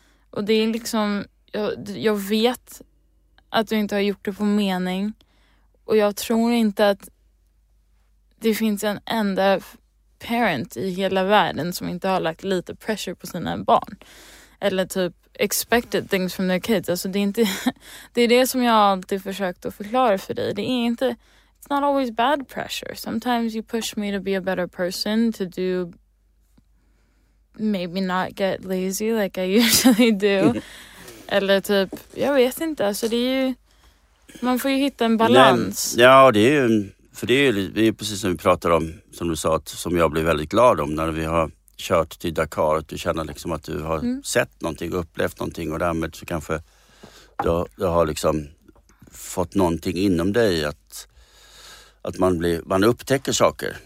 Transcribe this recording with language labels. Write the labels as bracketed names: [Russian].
[Swedish] Och det är liksom, jag vet att du inte har gjort det på mening, och jag tror inte att det finns en enda parent i hela världen som inte har lagt lite pressure på sina barn eller typ [English] expected things from their kids. [Swedish] Alltså det är inte, det är det som jag alltid försökt att förklara för dig. Det är inte, [English] it's not always bad pressure. Sometimes you push me to be a better person, to do maybe not get lazy like I usually do. [Swedish] Eller typ, jag vet inte, alltså det är ju, man får ju hitta en balans. Nej, ja, det är ju, för det är precis som vi pratade om, som du sa, att, som jag blev väldigt glad om när vi har kört till Dakar, att du känner liksom att du har sett någonting, upplevt någonting, och därmed så kanske du har liksom fått någonting inom dig att man upptäcker saker.